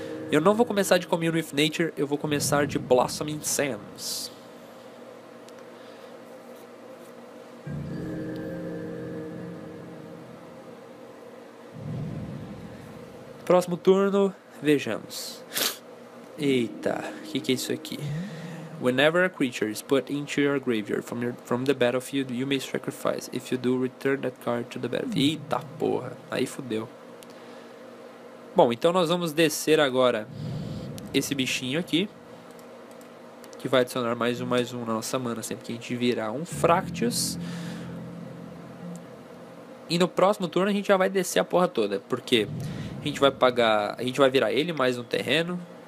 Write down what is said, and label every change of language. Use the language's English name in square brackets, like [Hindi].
[Portuguese] Eu não vou começar de Commune with Nature, eu vou começar de Blossoming Sands. Próximo turno, vejamos. Eita, o que, que é isso aqui? [English] Whenever a creature is put into your graveyard from the battlefield, you may sacrifice. If you do, return that card to the battlefield. [Portuguese] Eita porra, aí fodeu. Bom, então nós vamos descer agora esse bichinho aqui, que vai adicionar mais um na nossa mana, sempre que a gente virar um Fractious. E no próximo turno a gente já vai descer a porra toda, porque a gente vai pagar, a gente vai virar ele mais um terreno.